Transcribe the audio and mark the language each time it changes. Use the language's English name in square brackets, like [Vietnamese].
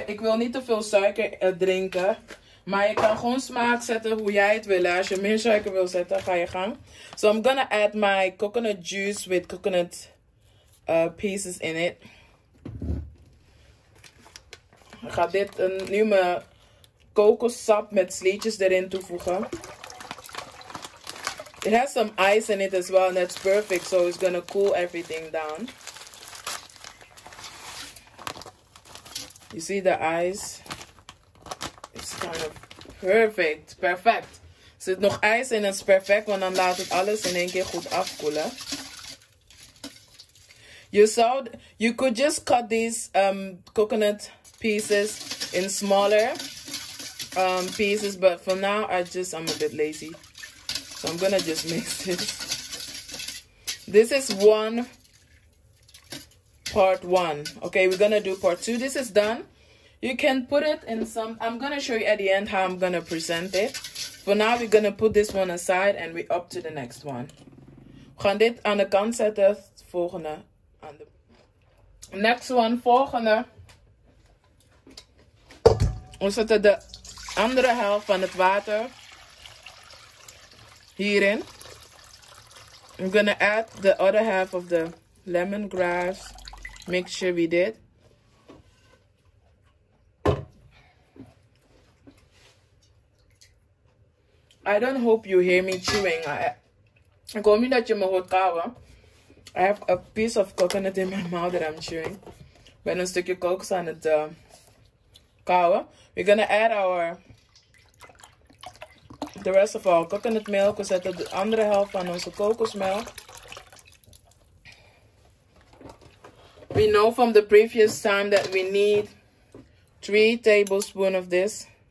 [Dutch] Ik wil niet te veel suiker drinken. Maar je kan gewoon smaak zetten hoe jij het wil. Als je meer suiker wil zetten, ga je gang. [English] So I'm gonna add my coconut juice with coconut pieces in it. [Dutch] Ik ga dit nu mijn kokossap met slietjes erin toevoegen. [English] It has some ice in it as well. And that's perfect. So it's gonna cool everything down. You see the ice? It's kind of perfect. Perfect. [Dutch] Zit nog ijs in, het is perfect. Want dan laat het alles in één keer goed afkoelen. [English] You could just cut these coconut pieces in smaller pieces, but for now I'm a bit lazy, so I'm gonna just mix this. This is one part one. Okay, we're gonna do part two. This is done. You can put it in some. I'm gonna show you at the end how I'm gonna present it. For now we're gonna put this one aside and we're up to the next one. [Dutch] We gaan dit aan de kant zetten. Volgende aan de [English] next one. [Dutch] Volgende. We zetten de andere helft van het water hierin. [English] I'm gonna add the other half of the lemongrass mixture we did. I don't hope you hear me chewing. [Dutch] Ik hoop niet dat je me hoort kauwen. [English] I have a piece of coconut in my mouth that I'm chewing. [Dutch] Ik ben een stukje kokos aan het kauwen. [English] We're gonna add the rest of our coconut milk. [Dutch] We zetten de andere helft van onze kokosmelk. [English] We know from the previous time that we need 3 tablespoons of this.